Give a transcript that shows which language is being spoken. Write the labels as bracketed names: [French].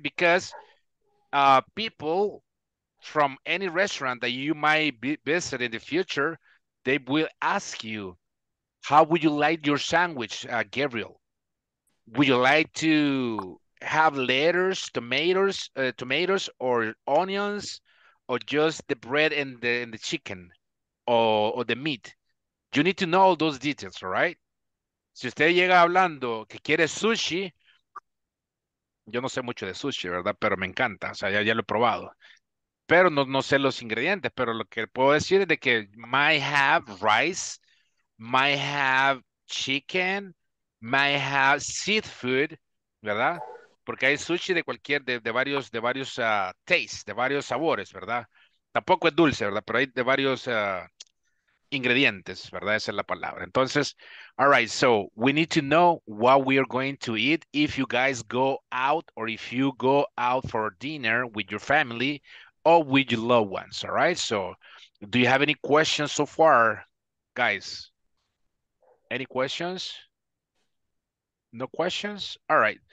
[English] Because people from any restaurant that you might visit in the future, they will ask you, how would you like your sandwich, Gabriel? Would you like to have lettuce, tomatoes, or onions, or just the bread and the chicken, or the meat? You need to know all those details, all right? [Spanish] Si usted llega hablando que quiere sushi, yo no sé mucho de sushi, ¿verdad? Pero me encanta, o sea, ya lo he probado. Pero no sé los ingredientes, pero lo que puedo decir es de que [English] might have rice, might have chicken, might have seafood, [Spanish] ¿verdad? Porque hay sushi de cualquier, de varios tastes, de varios sabores, ¿verdad? Tampoco es dulce, ¿verdad? Pero hay de varios ingredientes, ¿verdad? Esa es la palabra. Entonces, [English] all right, so we need to know what we are going to eat if you guys go out or if you go out for dinner with your family or with your loved ones, all right? So, do you have any questions so far, guys? Any questions? No questions? All right.